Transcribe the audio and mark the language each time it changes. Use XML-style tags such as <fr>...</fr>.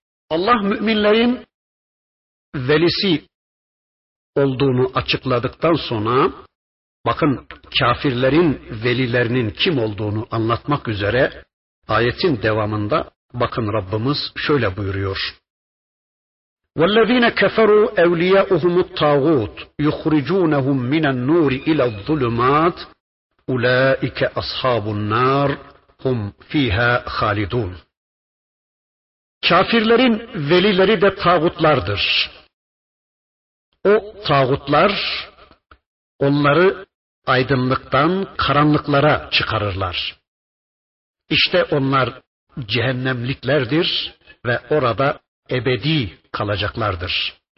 <tr>Allah müminlerin velisi olduğunu açıkladıktan sonra, bakın kafirlerin velilerinin kim olduğunu anlatmak üzere ayetin devamında bakın Rabbimiz şöyle buyuruyor.</tr> <ar>وَالَّذ۪ينَ كَفَرُوا اَوْلِيَاؤُهُمُ الطَّاغُوتُ يُخْرِجُونَهُمْ مِنَ النُّورِ اِلَى الظُّلُمَاتِ اُولَٰئِكَ أَصْحَابُ النَّارِ هُمْ ف۪يهَا خَالِدُونَ</ar> <tr>Kafirlerin velileri de tağutlardır. O tağutlar onları aydınlıktan karanlıklara çıkarırlar. İşte onlar cehennemliklerdir ve orada ebedi kalacaklardır.</tr>